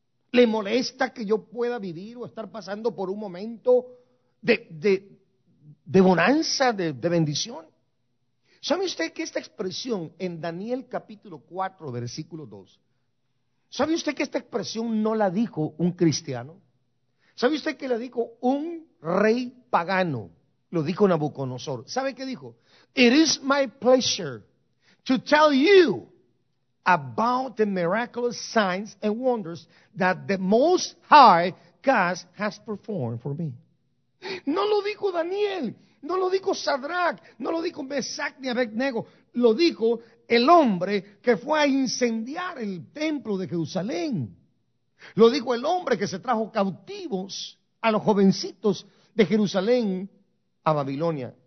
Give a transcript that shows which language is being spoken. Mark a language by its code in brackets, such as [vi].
[es] ¿Le molesta que yo pueda vivir o estar pasando por un momento de bonanza, de bendición? ¿Sabe usted que esta expresión en Daniel capítulo 4, versículo 2, ¿sabe usted que esta expresión no la dijo un cristiano? ¿Sabe usted que la dijo un rey pagano? Lo dijo Nabucodonosor. ¿Sabe qué dijo? [en] It is my pleasure to tell you about the miraculous signs and wonders that the Most High God has performed for me. [es] No lo dijo Daniel, no lo dijo Sadrach, no lo dijo Mesach ni Abednego, lo dijo el hombre que fue a incendiar el templo de Jerusalén. Lo dijo el hombre que se trajo cautivos a los jovencitos de Jerusalén a Babilonia.